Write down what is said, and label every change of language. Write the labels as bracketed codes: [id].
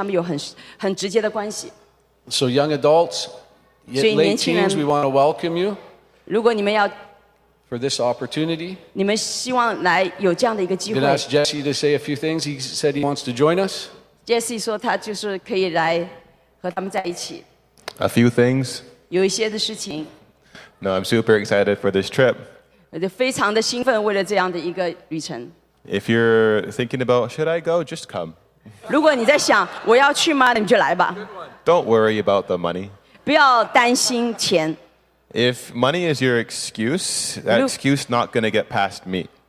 [zh] 因为这些我们跟他们关系很深的这些人呢，他们其实是和政府啊，跟当地的这些领袖，他们有很直接的关系。 [en] So young adults, late teens, we want to welcome you. [zh] 如果你们要 [en] for this opportunity, [zh] 你们希望来有这样的一个机会。 [en] Then ask Jesse to say a few things. He said he wants to join us. [zh] Jesse 说他就是可以来和他们在一起。 [en] A few things. [zh] 有一些的事情。 [en] No, I'm super excited for this trip. [zh] 非常的兴奋为了这样的一个旅程。 [en] If you're thinking about, should I go? Just come. [zh] 如果你在想我要去吗？你们就来吧。 [en] Don't worry about the money. [zh] 不要担心钱。 [en] If money is your excuse, that excuse not going to get past me.